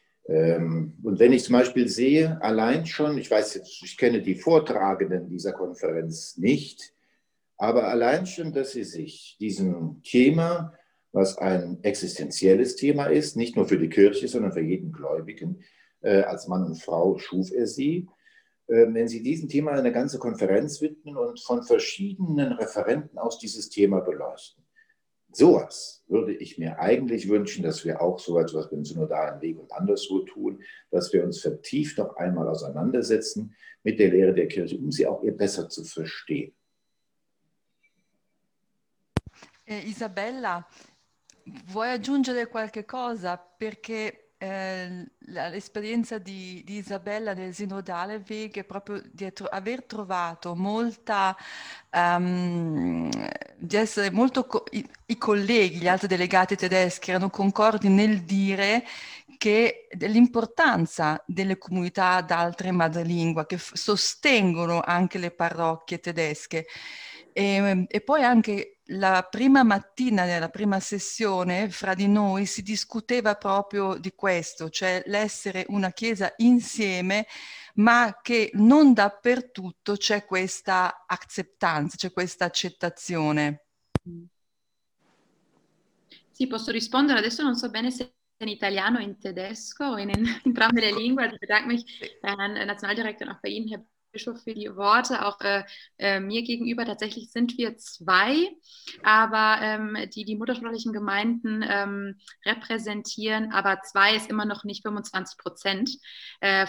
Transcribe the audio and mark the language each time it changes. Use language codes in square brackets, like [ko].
[de] Und wenn ich zum Beispiel sehe, allein schon, ich weiß jetzt, ich kenne die Vortragenden dieser Konferenz nicht, aber allein schon, dass sie sich diesem Thema, was ein existenzielles Thema ist, nicht nur für die Kirche, sondern für jeden Gläubigen, als Mann und Frau schuf er sie, wenn sie diesem Thema eine ganze Konferenz widmen und von verschiedenen Referenten aus dieses Thema beleuchten. Sowas würde ich mir eigentlich wünschen, dass wir auch so etwas beim Synodalen Weg und anderswo tun, dass wir uns vertieft noch einmal auseinandersetzen mit der Lehre der Kirche, um sie auch ihr besser zu verstehen. [it] Isabella, vuoi aggiungere qualche cosa? Perché l'esperienza di Isabella nel Sinodale Weg è proprio di aver trovato molta, di essere molto, i colleghi, gli altri delegati tedeschi erano concordi nel dire che dell'importanza delle comunità d'altre madrelingua che sostengono anche le parrocchie tedesche. E poi anche la prima mattina della prima sessione fra di noi si discuteva proprio di questo, cioè l'essere una chiesa insieme, ma che non dappertutto c'è questa acceptanza, c'è questa accettazione. Sì, posso rispondere adesso, non so bene se in italiano o in tedesco o in entrambe le lingue. [de] Ich bedanke mich Nationaldirektor noch bei Ihnen, Herr Bischof, für die Worte. Auch mir gegenüber tatsächlich sind wir zwei, aber die muttersprachlichen Gemeinden repräsentieren, aber zwei ist immer noch nicht 25%.